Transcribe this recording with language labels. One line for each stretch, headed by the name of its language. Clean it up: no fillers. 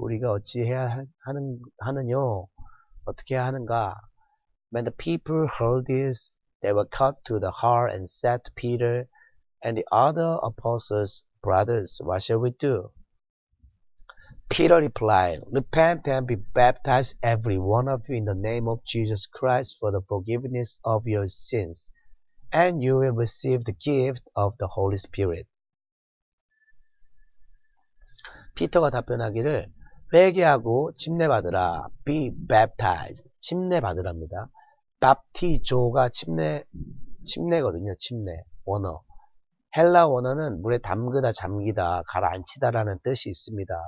Korean: 우리가 어찌해야 하는요? 어떻게 해야 하는가?
English: When the people heard this, they were cut to the heart and said to Peter and the other apostles, Brothers, what shall we do? Peter replied, Repent and be baptized every one of you in the name of Jesus Christ for the forgiveness of your sins, and you will receive the gift of the Holy Spirit.
Korean: 피터가 답변하기를 회개하고 침례받으라.
English: Be baptized.
Korean: 침례받으랍니다. 밥티조가 침례거든요. 침례. 원어. 헬라 원어는 물에 담그다, 잠기다, 가라앉히다 라는 뜻이 있습니다.